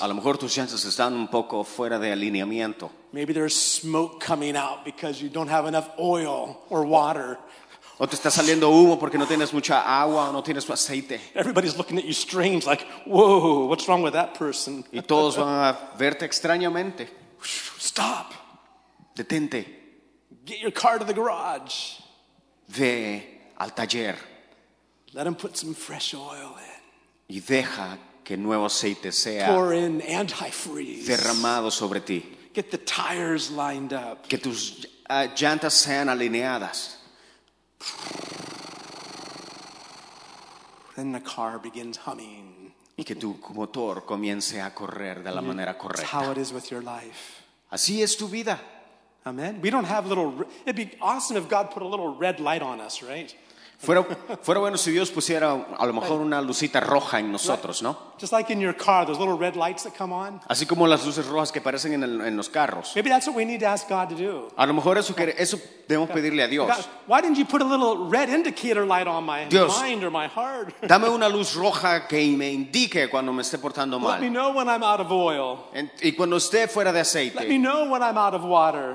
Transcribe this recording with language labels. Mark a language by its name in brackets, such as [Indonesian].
[Spanish] A lo mejor tus llantas están un poco fuera de alineamiento. [English] Maybe there's smoke coming out because you don't have enough oil or water. [Spanish] O te está saliendo humo porque no tienes mucha agua o no tienes aceite. [English] Everybody's looking at you strange, like, whoa, what's wrong with that person? [Spanish] Y todos van a verte extrañamente. [English] Stop. [Spanish] Detente. [English] Get your car to the garage. [Spanish] Ve al taller. [English] Let him put some fresh oil in. [Spanish] Y deja que nuevo aceite sea [English] pour in antifreeze. [Spanish] Derramado sobre ti. [English] Get the tires lined up. [Spanish] Que tus llantas sean alineadas. [English] then the car begins humming. [Spanish] Y que tu motor comience a correr de la manera correcta. [English] That's how it is with your life. [Spanish] Así es tu vida. [English] Amen. We don't have little. It'd be awesome if God put a little red light on us, right? [Spanish] Fuera bueno si Dios pusiera a lo mejor una lucita roja en nosotros, ¿no? [English] Just like in your car, those little red lights that come on. [Spanish] Así como las luces rojas que aparecen en los carros. [English] Maybe that's what we need to ask God to do. [Spanish] A lo mejor eso debemos pedirle a Dios. [English] Why didn't you put a little red indicator light on my [Spanish] Dios, [English] mind or my heart? [Spanish] Dame una luz roja que me indique cuando me esté portando mal. [English] Let me know when I'm out of oil. [Spanish] Y cuando esté fuera de aceite. [English] Let me know when I'm out of water.